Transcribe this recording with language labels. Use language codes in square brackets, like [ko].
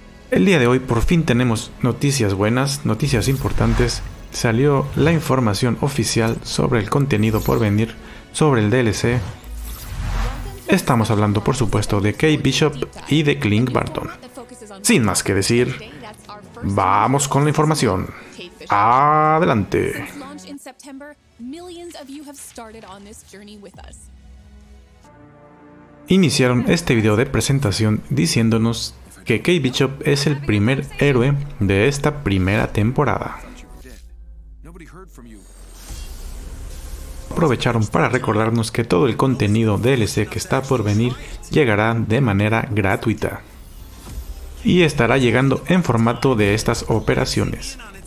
[es] El día de hoy por fin tenemos noticias buenas, noticias importantes. Salió la información oficial sobre el contenido por venir, sobre el DLC. Estamos hablando por supuesto de Kate Bishop y de Clint Barton. Sin más que decir, vamos con la información. Adelante. [en] Since launch in September, millions of you have started on this journey with us. [es] Iniciaron este video de presentación diciéndonos que Kate Bishop es el primer héroe de esta primera temporada. Aprovecharon para recordarnos que todo el contenido DLC que está por venir llegará de manera gratuita y estará llegando en formato de estas operaciones.